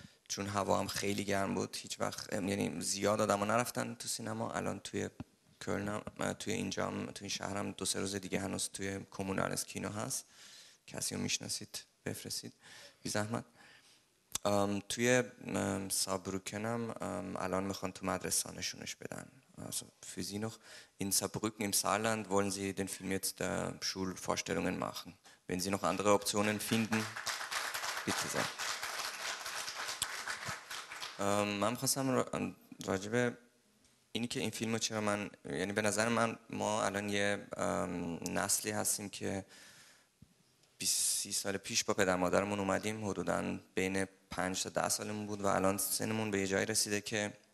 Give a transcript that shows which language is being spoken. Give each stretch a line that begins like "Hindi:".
Persian: چون هوا هم خیلی گرم بود هیچ وقت یعنی زیاد آدم ها نرفتن تو سینما الان توی کلن توی اینجا هم توی این شهر هم 2-3 روز دیگه هنوز توی کمونال از کینو هست کسی رو میشناسید بفرستید بی زحمت توی سابروکن هم الان میخوان تو مدرسه نشونش بدن Also für Sie noch, in Saarbrücken im Saarland wollen Sie den Film jetzt der Schulvorstellungen machen.
German: Wenn Sie noch andere Optionen finden, bitte sehr.
Persian: من خواستم راجبه اینی که این فیلمو چرا من یعنی به نظر من ما الان یه نسلی هستیم که 20-30 سال پیش با پدر مادرمون اومدیم حدوداً بین 5 تا 10 سالمون بود و الان سنمون به یه جایی رسیده که